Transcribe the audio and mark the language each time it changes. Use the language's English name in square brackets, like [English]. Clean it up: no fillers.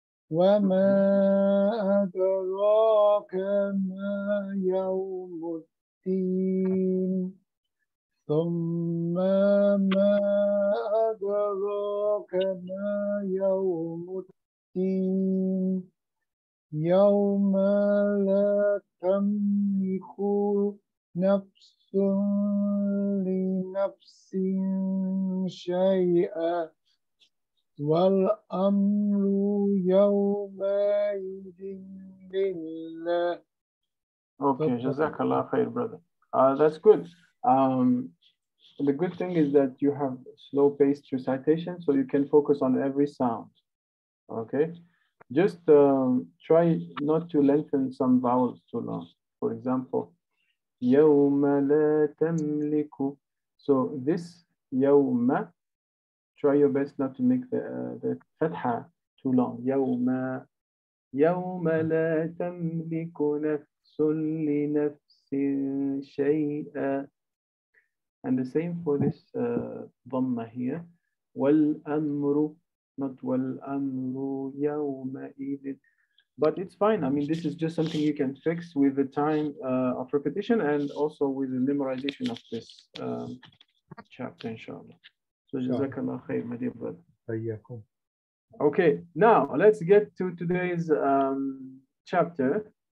[Arabic] وَمَا أَدْرَاكَ مَا يَوْمُ الدِّينِ ثُمَّ مَا أَدْرَاكَ مَا يَوْمُ الدِّينِ يَوْمَ لَا تَمْلِكُ نفس لنفس شيئا والأمر يومئذ لله. [English] Okay, [Arabic] جزاك الله خير, [English] brother. That's good. And the good thing is that you have slow paced recitation, so you can focus on every sound. Okay, just try not to lengthen some vowels too long. For example, [Arabic] يَوْمَ لَا تَمْلِكُ. [English] So this يَوْمَ, try your best not to make the fatha too long. [Arabic] يَوْمَ لَا تَمْلِكُ نَفْسٌ لِنَفْسٍ شَيْئًا. [English] And the same for this dhamma here. [Arabic] وَالْأَمْرُ, not وَالْأَمْرُ يَوْمَئِذٍ. [English] But it's fine. I mean, this is just something you can fix with the time of repetition and also with the memorization of this chapter, inshallah. So jazakallah khair, my dear brother. Okay, now let's get to today's chapter.